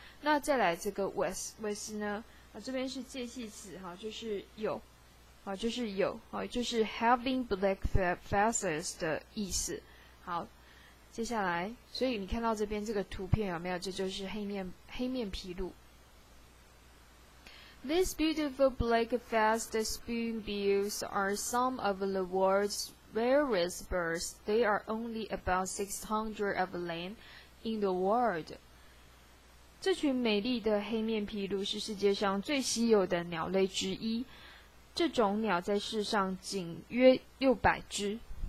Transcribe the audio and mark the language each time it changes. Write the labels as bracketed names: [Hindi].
[Chinese] 那再来这个 with 呢？啊，这边是介系词哈，就是有，啊，就是有，啊，就是 [English] having black feathers [Chinese] 的意思。好，接下来，所以你看到这边这个图片有没有？这就是黑面琵鹭。 [English] These beautiful black feathered spoonbills are some of the world's rarest birds. They are only about 600 of them in the world. [Chinese] 这群美丽的黑面琵鹭是世界上最稀有的鸟类之一，这种鸟在世上仅约600只。